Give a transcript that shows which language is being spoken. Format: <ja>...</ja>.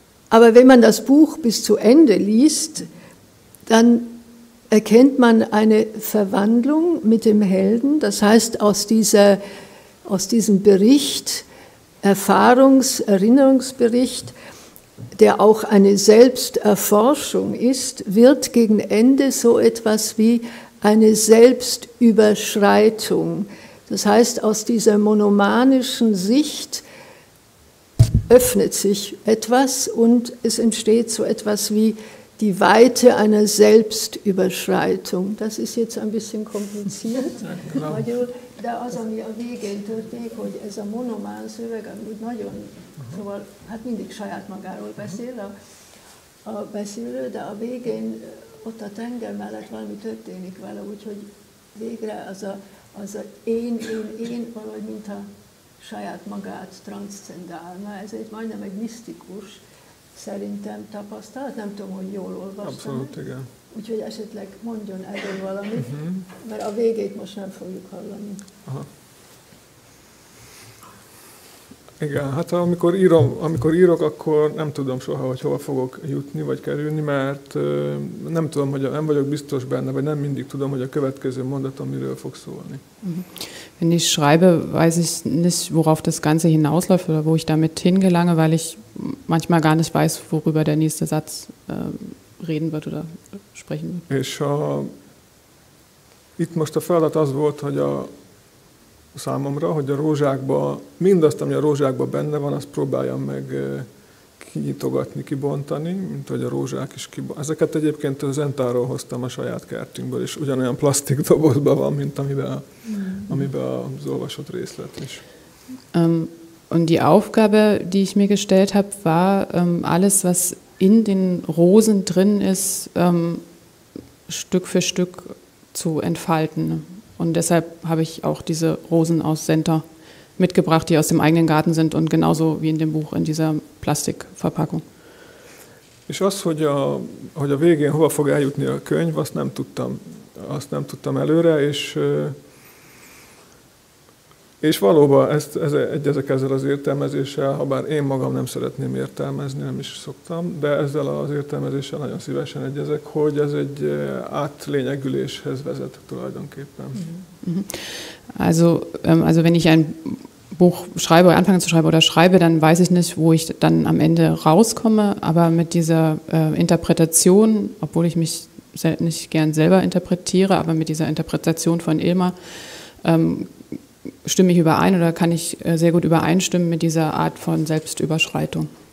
<de>Aber wenn man das Buch bis zu Ende liest, dann erkennt man eine Verwandlung mit dem Helden, das heißt aus diesem Bericht, Erfahrungs-, Erinnerungsbericht, der auch eine Selbsterforschung ist, wird gegen Ende so etwas wie eine Selbstüberschreitung. Das heißt, aus dieser monomanischen Sicht öffnet sich etwas und es entsteht so etwas wie die Weite einer Selbstüberschreitung. Das ist jetzt ein bisschen kompliziert.</de> <hu>De az, ami a végén történik, hogy ez a monomán szöveg, úgy nagyon, szóval hát mindig saját magáról beszél a beszélő, de a végén ott a tenger mellett valami történik vele, úgyhogy végre az a én, valahogy mintha saját magát transzcendálna. Ez egy majdnem egy misztikus szerintem tapasztalat, nem tudom, hogy jól olvastam. Abszolút, igen. Úgyhogy esetleg mondjon erről valamit, uh-huh. Mert a végét most nem fogjuk hallani. Aha. Igen, hát amikor írok, akkor nem tudom soha, hogy hova fogok jutni vagy kerülni, mert nem tudom, hogy nem vagyok biztos benne, vagy nem mindig tudom, hogy a következő mondat, amiről fog szólni.</hu> <de>Wenn ich schreibe, weiß ich nicht, worauf das Ganze hinausläuft oder wo ich damit hingelange, weil ich manchmal gar nicht weiß, worüber der nächste Satz reden wird oder sprechen wird.</de> <hu>És itt most a feladat az volt, hogy a számomra, hogy a rózsákba, mindazt, ami a rózsákba benne van, azt próbáljam meg kinyitogatni, kibontani, mint hogy a rózsák is kibontani. Ezeket egyébként a Zentáról hoztam a saját kertünkből, és ugyanolyan plastik dobozban van, mint amiben az olvasott részlet is.</hu> <de>Und die Aufgabe, die ich mir gestellt habe, war, alles, was in den Rosen drin ist, Stück für Stück zu entfalten. Und deshalb habe ich auch diese Rosen aus Center mitgebracht, die aus dem eigenen Garten sind und genauso wie in dem Buch in dieser Plastikverpackung.</de> <hu>És az, hogy a végén hova fog eljutni a könyv, azt nem tudtam előre, és valóban ezek ezzel az értelmezéssel, ha bár én magam nem szeretném értelmezni, nem is szoktam, de ezzel az értelmezéssel nagyon szívesen egyezek, hogy ez egy átlényegüléshez vezet tulajdonképpen.</hu> <de>Also wenn ich ein Buch schreibe, anfange zu schreiben oder schreibe, dann weiß ich nicht, wo ich dann am Ende rauskomme, aber mit dieser Interpretation, obwohl ich mich nicht gern selber interpretiere, aber mit dieser Interpretation von Ilma, stimme ich überein oder kann ich sehr gut übereinstimmen mit dieser Art von Selbstüberschreitung?</de>